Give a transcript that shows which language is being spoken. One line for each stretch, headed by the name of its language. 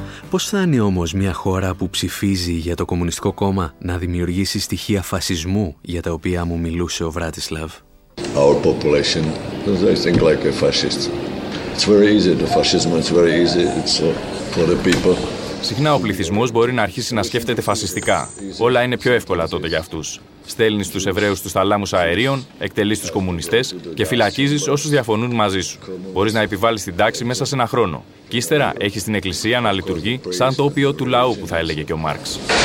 Greek: Πώς φτάνει όμως μια χώρα που ψηφίζει για το Κομμουνιστικό Κόμμα να δημιουργήσει στοιχεία φασισμού για τα οποία μου μιλούσε ο Βράτισλαβ?
English: Our population, they think like a fascist. It's very easy, the fascism, it's very easy, it's for the people.
Greek: Συχνά ο πληθυσμός μπορεί να αρχίσει να σκέφτεται φασιστικά. Όλα είναι πιο εύκολα τότε για αυτούς. Στέλνεις τους Εβραίους στους θαλάμους αερίων, εκτελείς τους κομμουνιστές και φυλακίζεις όσους διαφωνούν μαζί σου. Μπορείς να επιβάλλεις την τάξη μέσα σε ένα χρόνο. Και ύστερα έχεις την εκκλησία να λειτουργεί σαν το όπιο του λαού, που θα έλεγε και ο Μάρξ.